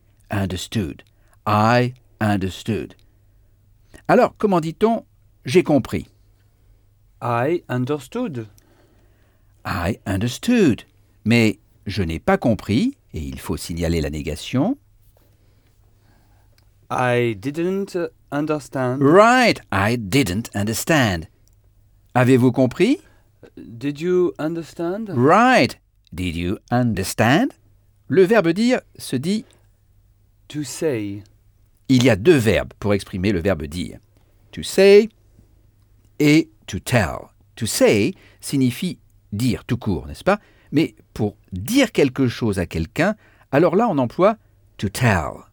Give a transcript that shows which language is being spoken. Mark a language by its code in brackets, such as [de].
[en] Understood. I understood. [fr] Alors, comment dit-on j'ai compris? [en] I understood. I understood. [fr] Mais je n'ai pas compris et il faut signaler la négation. [en] I didn't understand. Right, I didn't understand. [fr] Avez-vous compris? [en] Did you understand? Right, did you understand? [fr] Le verbe dire se dit [en] to say. [fr] Il y a deux verbes pour exprimer le verbe dire. To say et to tell. To say signifie dire tout court, n'est-ce pas? Mais pour dire quelque chose à quelqu'un, alors là on emploie to tell.